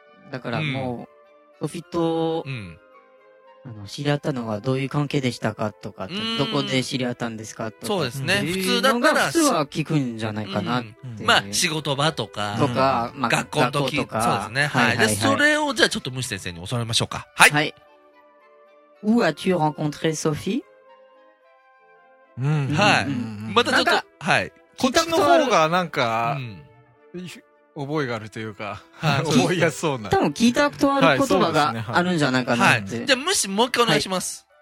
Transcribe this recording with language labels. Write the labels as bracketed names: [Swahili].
[Japanese] だからもう、ソフィと、うん、知り合ったのはどういう関係でしたかとか、どこで知り合ったんですかとか。そうですね。普通だったら。普通は聞くんじゃないかなっていう、うん。まあ、仕事場とか。とか、まあ、学校の時校とか。そうですね。はい、はいはい。で、それをじゃあちょっとムシ先生に教わりましょうか。はい。はい。 [French] Où as-tu rencontré Sophie? [Japanese] うん。はい。またちょっと、はい。こっちの方がなんか、覚えがあるというか、はい、覚えやすそうな。多分聞いたことある言葉があるんじゃないかなって。はいねはいはい、じゃあ、むしもう一回お願いします。